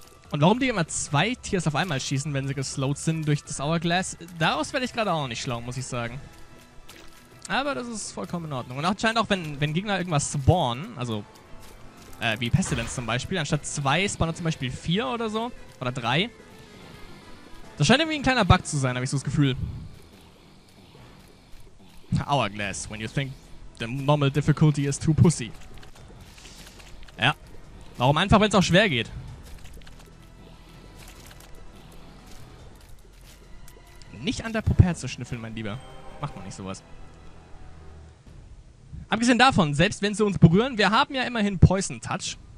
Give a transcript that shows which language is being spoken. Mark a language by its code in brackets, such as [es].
[de] Und warum die immer zwei Tiers auf einmal schießen, wenn sie geslowt sind durch das Hourglass, daraus werde ich gerade auch nicht schlau, muss ich sagen. Aber das ist vollkommen in Ordnung. Und anscheinend auch, wenn Gegner irgendwas spawnen, also wie Pestilence zum Beispiel, anstatt zwei spawnen zum Beispiel vier oder so, oder drei. Das scheint irgendwie ein kleiner Bug zu sein, habe ich so das Gefühl. [en] Hourglass, when you think the normal difficulty is too pussy. [de] Ja. Warum einfach, wenn es auch schwer geht? Nicht an der Puppe zu schnüffeln, mein Lieber. Macht man nicht sowas. Abgesehen davon, selbst wenn sie uns berühren, wir haben ja immerhin Poison Touch.